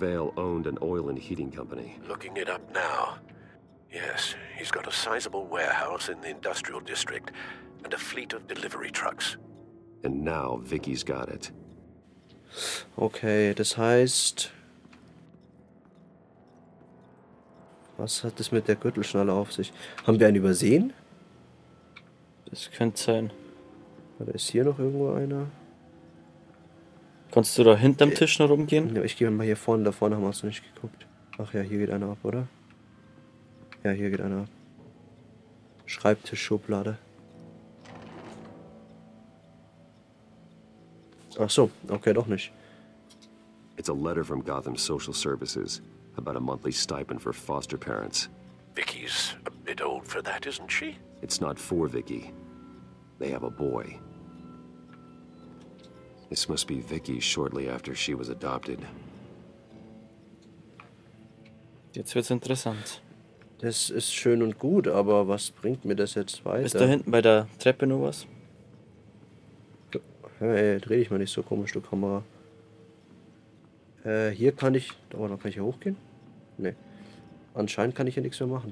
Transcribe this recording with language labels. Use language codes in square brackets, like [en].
[en] Vale owned an oil and heating company. Looking it up now. Yes, he's got a sizable warehouse in the industrial district and a fleet of delivery trucks. And now Vicky's got it. [de] Okay, das heißt, was hat das mit der Gürtelschnalle auf sich? Haben wir einen übersehen? Das könnte sein. Oder ist hier noch irgendwo einer? Kannst du da hinterm Tisch noch rumgehen? Ja, ich gehe mal hier vorne. Da vorne haben wir noch nicht geguckt. Ach ja, hier geht einer ab, oder? Ja, hier geht einer ab. Schreibtischschublade. Ach so, okay, doch nicht. [en] It's a letter from Gotham Social Services about a monthly stipend for foster parents. Vicky's a bit old for that, isn't she? It's not for Vicky. They have a boy. This must be Vicky shortly after she was adopted. [de] Jetzt wird's interessant. Das ist schön und gut, aber was bringt mir das jetzt weiter? Ist da hinten bei der Treppe nur was? Hey, dreh dich mal nicht so komisch, du Kamera. Hier kann ich. Oh, da kann ich hier hochgehen? Nee. Anscheinend kann ich hier nichts mehr machen.